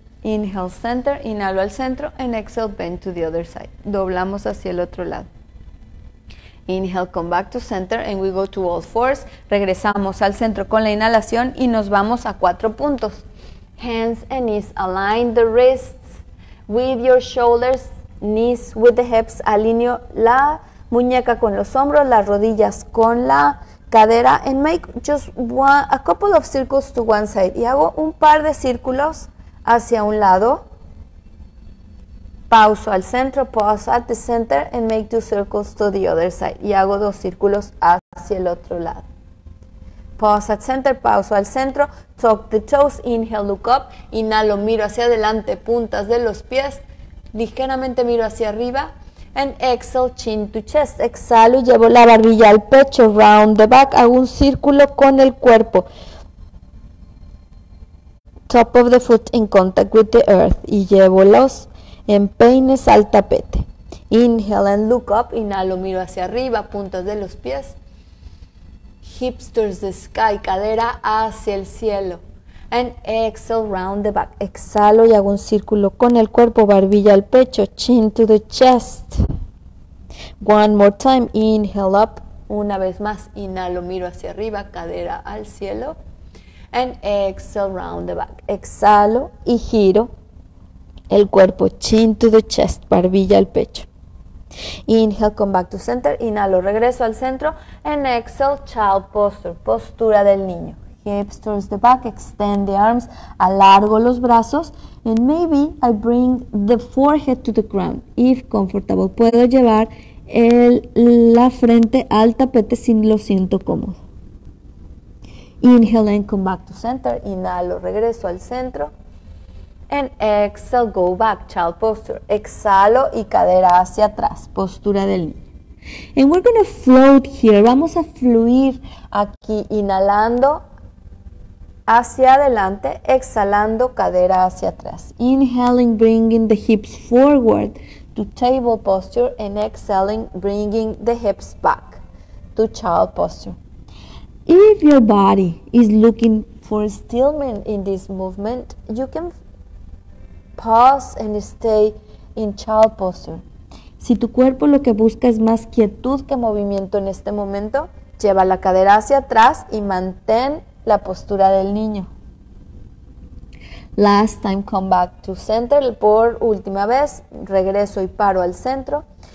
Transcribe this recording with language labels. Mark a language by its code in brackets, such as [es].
[en] Inhale, center, [es] inhalo al centro [en] and exhale, bend to the other side. [es] Doblamos hacia el otro lado. [en] Inhale, come back to center and we go to all fours. [es] Regresamos al centro con la inhalación y nos vamos a cuatro puntos. [en] Hands and knees align the wrists with your shoulders, knees with the hips. [es] Alineo la muñeca con los hombros, las rodillas con la cadera [en] and make just a couple of circles to one side. [es] Y hago un par de círculos hacia un lado. Pauso al centro, [en] pause at the center and make two circles to the other side. [es] Y hago dos círculos hacia el otro lado. [en] Pause at center, [es] pauso al centro, [en] tuck the toes, inhale, look up. [es] Inhalo, miro hacia adelante, puntas de los pies, ligeramente miro hacia arriba. [en] And exhale, chin to chest. [es] Exhalo y llevo la barbilla al pecho, [en] round the back. [es] Hago un círculo con el cuerpo. [en] Top of the foot in contact with the earth. [es] Y llevo los empeines al tapete. [en] Inhale and look up. [es] Inhalo, miro hacia arriba, puntas de los pies. [en] Hips towards the sky, [es] cadera hacia el cielo. [en] And exhale, round the back. [es] Exhalo y hago un círculo con el cuerpo, barbilla al pecho, [en] chin to the chest. One more time, inhale up. [es] Una vez más, inhalo, miro hacia arriba, cadera al cielo. [en] And exhale, round the back. [es] Exhalo y giro el cuerpo, [en] chin to the chest, [es] barbilla al pecho. [en] Inhale, come back to center. [es] Inhalo, regreso al centro. [en] And exhale, child posture, [es] postura del niño. [en] Hips towards the back, extend the arms, [es] alargo los brazos, [en] and maybe I bring the forehead to the ground. If comfortable, [es] puedo llevar la frente al tapete si lo siento cómodo. [en] Inhale and come back to center, [es] inhalo, regreso al centro, [en] and exhale, go back, child posture. [es] Exhalo y cadera hacia atrás, postura del niño. [en] And we're going to float here, [es] vamos a fluir aquí, inhalando hacia adelante, exhalando cadera hacia atrás. [en] Inhaling, bringing the hips forward to table posture and exhaling, bringing the hips back to child posture. If your body is looking for stillness in this movement, you can pause and stay in child posture. [es] Si tu cuerpo lo que busca es más quietud que movimiento en este momento, lleva la cadera hacia atrás y mantén la postura del niño. [en] Last time, come back to center. [es] Por última vez, regreso y paro al centro.